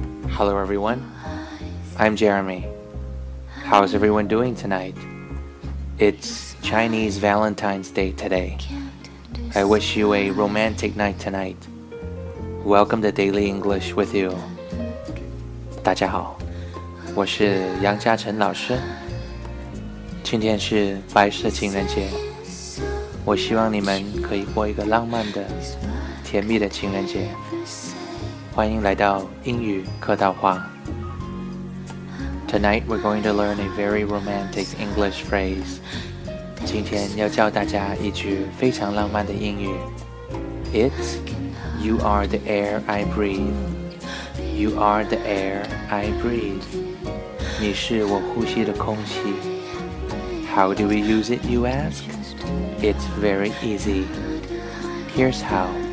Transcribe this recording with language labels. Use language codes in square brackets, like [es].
[en] Hello everyone, I'm Jeremy. How's everyone doing tonight? It's Chinese Valentine's Day today. I wish you a romantic night tonight. Welcome to Daily English with you. [zh] 大家好，我是杨嘉诚老师。今天是白色情人节，我希望你们可以过一个浪漫的、甜蜜的情人节。欢迎来到英语课道话。 [en] Tonight we're going to learn a very romantic English phrase. [zh] 今天要教大家一句非常浪漫的英语。 [en] It's you are the air I breathe. You are the air I breathe. [zh] 你是我呼吸的空气。 [en] How do we use it, you ask? It's very easy. Here's how.